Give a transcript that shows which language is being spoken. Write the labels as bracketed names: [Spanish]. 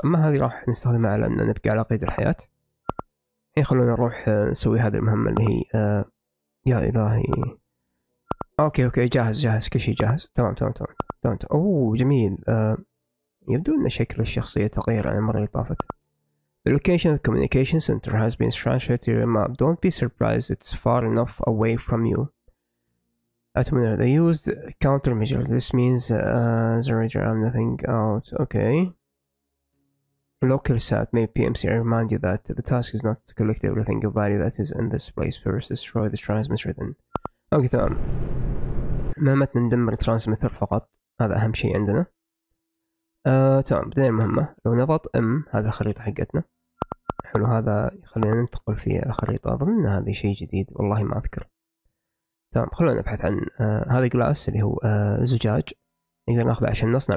[Arabic] أما هذه راح نستخدمها على أننا نبقى على قيد الحياة. الحين خلونا نروح نسوي هذه المهمة اللي هي يا إلهي. أوكي جاهز كل شيء جاهز. تمام. أوه جميل. يبدو أن شكل الشخصية تغير عن المرة اللي طافت. [English] The location of the communication center has been transferred to your map. Don't be surprised it's far enough away from you. They used countermeasures. This means there is nothing out. Okay. Local sat may PMC remind you that the task is not to collect everything of value that is in this place first. Destroy the transmitter then. Okay, [Arabic] تمام. مهمتنا ندمر الترانسميتر فقط. هذا أهم شيء عندنا. تمام. بدنا المهمة. لو نضغط M هذا الخريطة حقتنا. حلو هذا خلينا ننتقل في الخريطة. أظن هذا شيء جديد. والله ما أذكر. تمام خلونا نبحث عن هذا جلاس اللي هو زجاج نقدر ناخذه عشان نصنع.